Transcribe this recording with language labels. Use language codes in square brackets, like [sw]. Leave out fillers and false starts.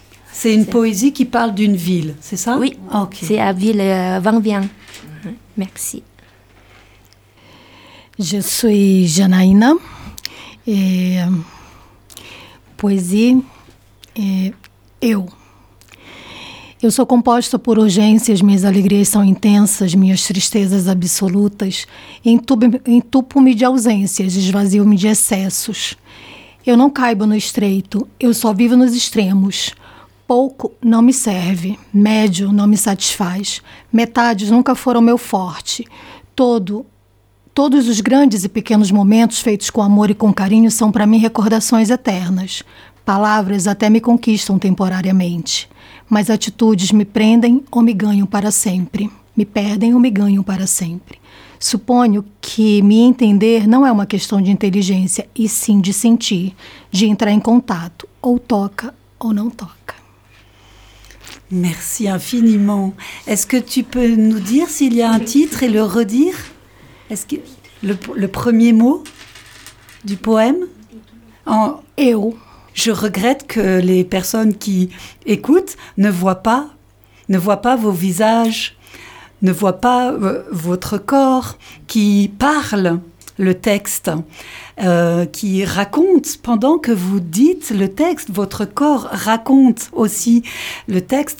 [fr] C'est une poésie qui parle d'une ville, c'est ça? Oui, okay. C'est à ville Vang Vien. Merci. Je suis Janaïna et poésie et eu. [pt] Eu sou composta por urgências, minhas alegrias são intensas, minhas tristezas absolutas. Entupo-me de ausências, esvazio-me de excessos. Eu não caibo no estreito, eu só vivo nos extremos. Pouco não me serve, médio não me satisfaz. Metades nunca foram meu forte. Todos os grandes e pequenos momentos feitos com amor e com carinho são para mim recordações eternas. Palavras até me conquistam temporariamente. Mas atitudes me prendem ou me ganham para sempre. Me perdem ou me ganham para sempre. Suponho que me entender não é uma questão de inteligência, e sim de sentir, de entrar em contato. Ou toca ou não toca. [fr] Merci infiniment. Est-ce que tu peux nous dire s'il y a un titre et le redire? Est-ce que le premier mot du poème? En [pt] eu. [fr] Je regrette que les personnes qui écoutent ne voient pas vos visages, ne voient pas votre corps qui parle le texte, qui raconte pendant que vous dites le texte, votre corps raconte aussi le texte.